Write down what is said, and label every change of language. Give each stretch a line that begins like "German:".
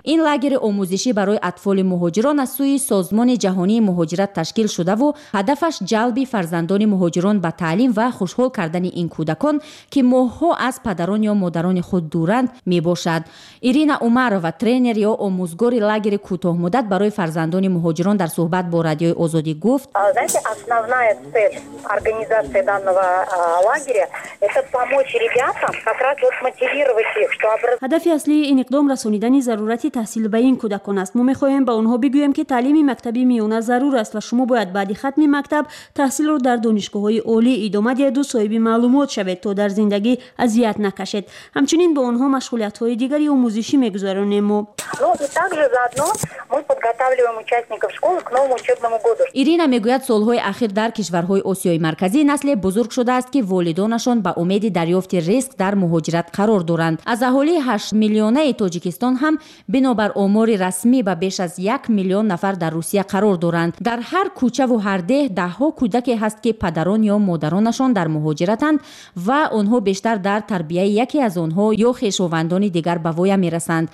Tajik: ин лагери омӯзишӣ барои атфоли муҳоҷирон аз сӯи созмони ҷаҳонии муҳоҷират ташкил шудаву ҳадафаш ҷалби фарзандони муҳоҷирон ба таълим ва хушҳол кардани ин кӯдакон ки моҳҳо аз падарон ё модарони худ дуранд мебошад. Ирина Умарова, тренер ё омӯзгори лагери кӯтоҳмуддат барои фарзандони муҳоҷирон, дар суҳбат бо радиои Озодӣ гуфт:
Russian: "Знаете, основная цель организации данного лагеря это помочь ребятам как раз вот мотивировать их, что образ".
Tajik: Ҳадафи аслии ин иқдом расонидани зарурати таҳсил ба ин кӯдакон аст. Мо мехоҳем ба онҳо бигӯем, ки таълими мактаби миёна зарур аст ва шумо бояд баъди хатми мактаб таҳсилро дар донишгоҳҳои олӣ идома диҳед ва соҳиби маълумот шавед, то дар зиндагӣ азият накашед. Ҳамчунин ба онҳо машғулиятҳои дигари омӯзишӣ мегузаронем. Мо
Russian: также заодно мы подготавливаем участников школы к новому учебному году.
Tajik: Ирина мегӯяд, солҳои ахир дар кишварҳои Осиёи марказӣ насле бузург шудааст, ки волидонашон ба умеди дарёфти риск дар муҳоҷират қарор доранд. аз аҳолии 8 миллионаи Тоҷикистон ҳам бинобар омори расмӣ ба беш аз 1 миллион нафар дар Русия қарор доранд. дар ҳар кӯчаву ҳар деҳ даҳҳо кӯдаке ҳаст, ки падарон ё модаронашон дар муҳоҷиратанд ва онҳо бештар дар тарбияи яке аз онҳо ё хешовандони дигар ба воя мерасанд.